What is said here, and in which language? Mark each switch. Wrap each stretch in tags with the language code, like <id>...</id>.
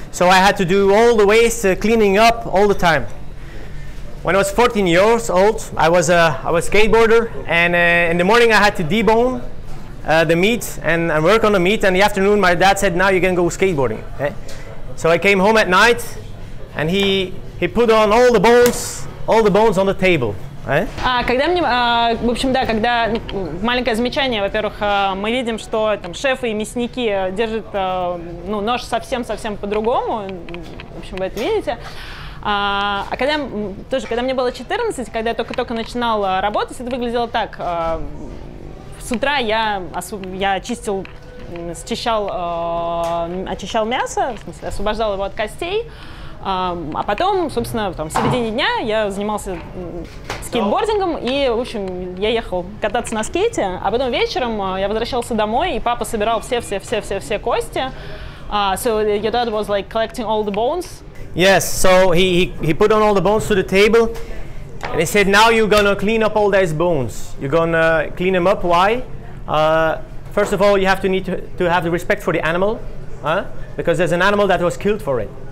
<en>So I had to do all the waste, cleaning up all the time. When I was 14 years old, I was a skateboarder, and in the morning I had to debone the meat and work on the meat, and in the afternoon my dad said, now you can go skateboarding. Eh? So I came home at night, and he put on all the bones on the table.</en> <ru>Когда мне, в общем, да, когда маленькое замечание, во-первых, мы видим, что там шефы и мясники держат ну нож совсем по-другому, в общем, вы это видите. А когда тоже, когда мне было 14, когда я только начинал работать, это выглядело так: с утра я чистил. Очищал мясо, в смысле, освобождал его от костей, а потом, собственно, там, в середине дня я занимался скейтбордингом, и, в общем, я ехал кататься на скейте, а потом вечером я возвращался домой, и папа собирал все кости.</ru> <en>So your dad was like collecting all the bones? Yes, so he put on all the bones to the table, and he said, now you're gonna clean up all those bones. You're gonna clean them up, why? First of all, you have to need to have the respect for the animal, because there's an animal that was killed for it.</en>